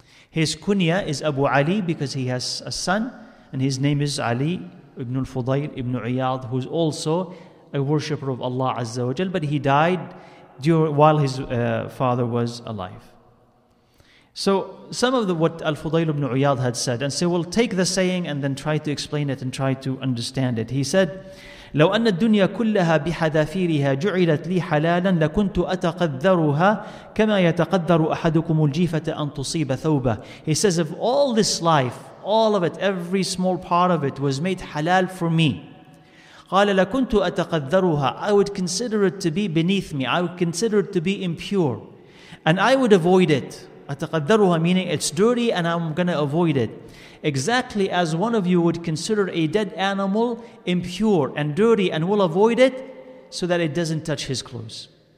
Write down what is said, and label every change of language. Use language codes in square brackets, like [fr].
[en] His kunya is Abu Ali, because he has a son, and his name is Ali ibn al-Fudayl ibn Iyad, who is also a worshipper of Allah Azza wa Jal, but he died while his father was alive. So some of what Al-Fudayl ibn Iyad had said, and so we'll take the saying and then try to explain it and try to understand it. He said, [ar] لو أن الدنيا كلها بحذافيرها جعلت لي حلالا لكنت أتقدرها كما يتقدر أحدكم الجيفة أن تصيب ثوبه. [en] He says, if all this life, all of it, every small part of it was made halal for me, [ar] قال لكنت أتقدرها, [en] I would consider it to be beneath me, I would consider it to be impure, and I would avoid it. أتقدرها meaning it's dirty and I'm going to avoid it. Exactly as one of you would consider a dead animal impure and dirty and will avoid it so that it doesn't touch his clothes.